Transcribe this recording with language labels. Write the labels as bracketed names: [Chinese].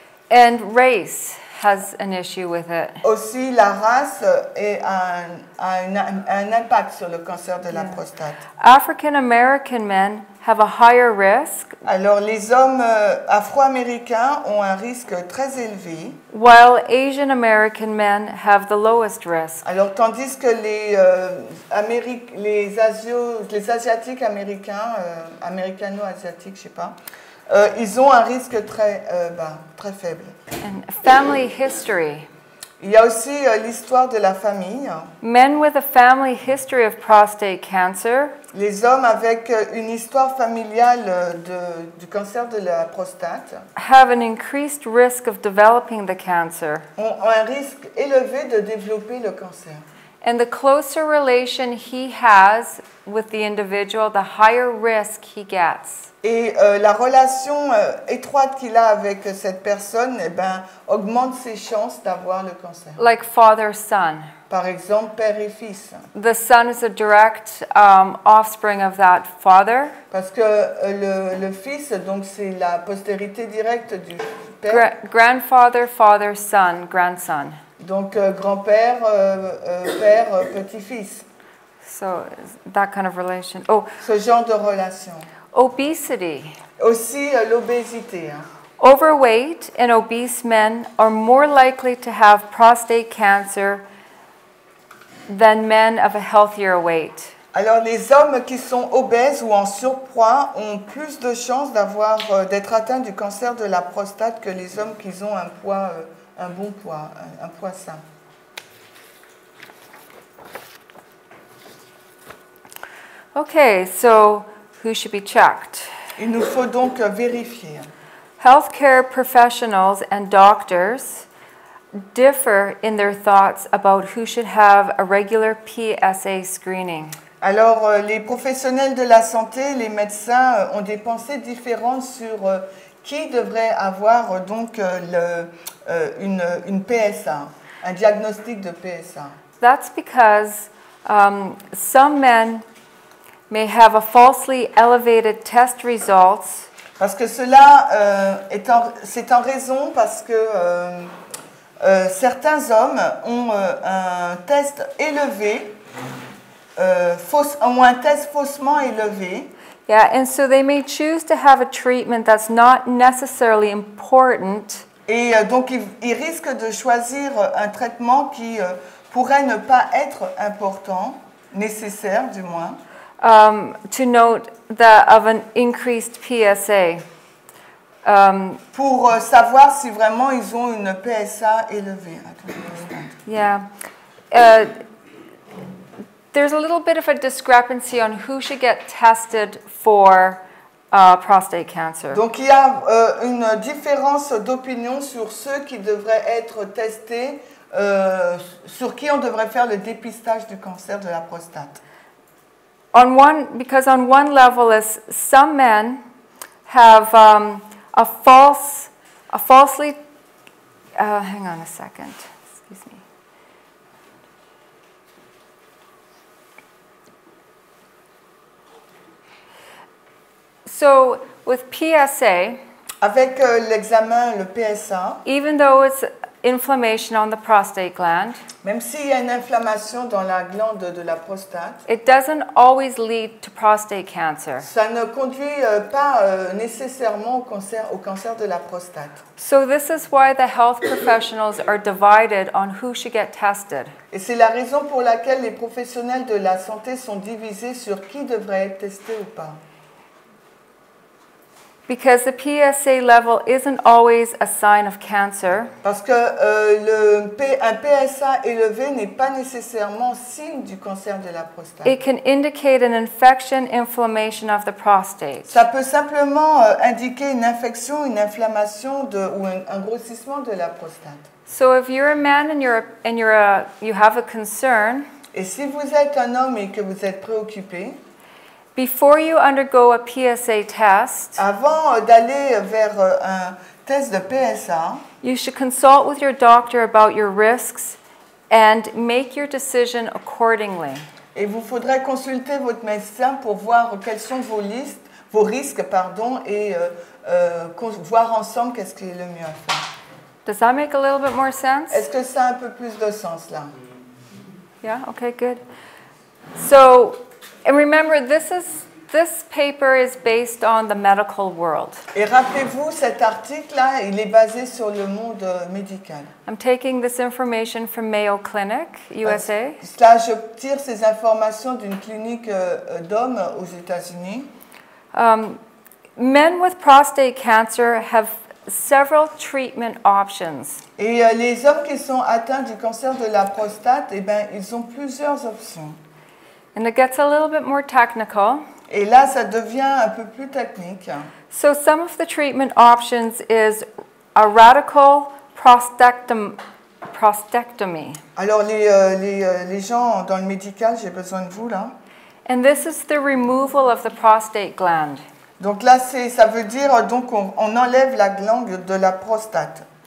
[English] And race has an issue with it. [French] Aussi, la race a un impact sur le cancer de la prostate. [English] African-American men have a higher risk. [French] Alors, les hommes afro-américains ont un risque très élevé. [English] While Asian-American men have the lowest risk. [French] Alors, tandis que les Asiatiques américains, américano-asiatiques, je ne sais pas, ils ont un risque très très faible. [English] And family history. [French] Il y a aussi l'histoire de la famille. [English] Men with a family history of prostate cancer. [French] Les hommes avec une histoire familiale du cancer de la prostate. [English] Have an increased risk of developing the cancer. [French] Ont un risque élevé de développer le cancer. [English] And the closer relation he has with the individual, the higher risk he gets. [French] Et la relation étroite qu'il a avec cette personne, eh ben, augmente ses chances d'avoir le cancer. [English] Like father-son. [French] Par exemple, père et fils. [English] The son is a direct offspring of that father. [French] Parce que le fils, donc c'est la postérité directe du père. [English] Grandfather, father, son, grandson. [French] Donc grand-père, père, petit-fils. [English] So that kind of relation. Oh. [French] Ce genre de relation. [English] Obesity. [French] Aussi l'obésité. [English] Overweight and obese men are more likely to have prostate cancer than men of a healthier weight. [French] Alors les hommes qui sont obèses ou en surpoids ont plus de chances d'être atteints du cancer de la prostate que les hommes qui ont un poids sain. [English] Okay, so who should be checked? [French] Il nous faut donc vérifier. [English] Healthcare professionals and doctors differ in their thoughts about who should have a regular PSA screening. [French] Alors, les professionnels de la santé, les médecins, ont des pensées différentes sur qui devrait avoir donc une PSA, un diagnostic de PSA. [English] That's because some men may have a falsely elevated test results. [French] Parce que cela c'est en raison parce que certains hommes ont un test élevé, ont un test faussement élevé. [English] Yeah, and so they may choose to have a treatment that's not necessarily important. [French] Et donc ils risquent de choisir un traitement qui pourrait ne pas être important, nécessaire du moins. [English] to note that of an increased PSA. [French] Pour savoir si vraiment ils ont une PSA élevée. [English] Yeah. There's a little bit of a discrepancy on who should get tested for prostate cancer. [French] Donc il y a une différence d'opinion sur ceux qui devraient être testés, sur qui on devrait faire le dépistage du cancer de la prostate. [English] On one, because on one level, is some men have a falsely. Hang on a second. Excuse me. So with PSA. [French] Avec l'examen, le PSA. [English] Even though it's inflammation on the prostate gland. [French] Même s'il y a une inflammation dans la glande de la prostate. [English] It doesn't always lead to prostate cancer. [French] Ça ne conduit pas nécessairement au cancer de la prostate. [English] So this is why the health professionals are divided on who should get tested. [French] Et c'est la raison pour laquelle les professionnels de la santé sont divisés sur qui devrait être testé ou pas. [English] Because the PSA level isn't always a sign of cancer. [French] Parce que un PSA élevé n'est pas nécessairement signe du cancer de la prostate. [English] It can indicate an infection, inflammation of the prostate. [French] Ça peut simplement indiquer une infection, une inflammation de ou un grossissement de la prostate. [English] So if you're a man and you have a concern. [French] Et si vous êtes un homme et que vous êtes préoccupé. [English] Before you undergo a PSA test, [French] avant d'aller vers un test de PSA, [English] you should consult with your doctor about your risks and make your decision accordingly. [French] Et vous faudrait consulter votre médecin pour voir quels sont vos risques, et voir ensemble qu'est-ce qui est le mieux à faire. [English] Does that make a little bit more sense? [French] Est-ce que ça a un peu plus de sens là? [English] Yeah. Okay. Good. So. And remember, this paper is based on the medical world. [French] Et rappelez-vous, cet article-là, il est basé sur le monde médical. [English] I'm taking this information from Mayo Clinic, USA. [French] Là, je tire ces informations d'une clinique d'hommes aux États-Unis. [English] Men with prostate cancer have several treatment options. [French] Et les hommes qui sont atteints du cancer de la prostate, eh ben, ils ont plusieurs options. [English] And it gets a little bit more technical. [French] Et là, ça devient un peu plus technique. [English] So some of the treatment options is a radical prostatectomy. [French] Alors les gens dans le médical, j'ai besoin de vous là. [English] And this is the removal of the prostate gland. [French] Donc là, ça veut dire donc on enlève la glande de la prostate.